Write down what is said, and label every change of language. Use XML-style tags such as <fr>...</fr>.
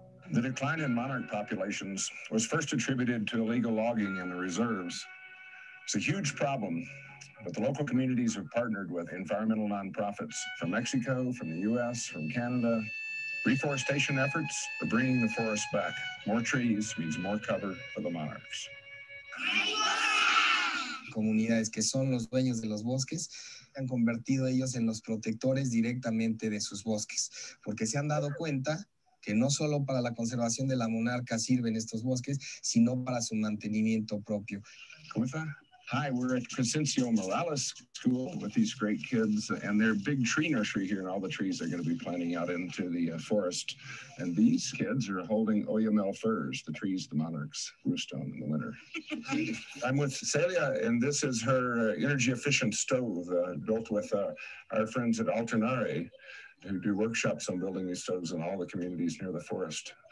<en>The decline in monarch populations was first attributed to illegal logging in the reserves. It's a huge problem, but the local communities have partnered with environmental nonprofits from Mexico, from the U.S., from Canada. Reforestation efforts are bringing the forest back. More trees means more cover for the monarchs.</en> <es>Comunidades que son los dueños de los bosques han convertido ellos en los protectores directamente de sus bosques, porque se han dado cuenta que no solo para la conservación de la monarca sirven estos bosques, sino para su mantenimiento propio.</es> <en>Hi, we're at Crescencio Morales School with these great kids and their big tree nursery here and all the trees they're going to be planting out into the forest. And these kids are holding Oyamel firs, the trees the monarchs roost on in the winter. I'm with Celia, and this is her energy efficient stove built with our friends at Alternare, who do workshops on building these stoves in all the communities near the forest.</en>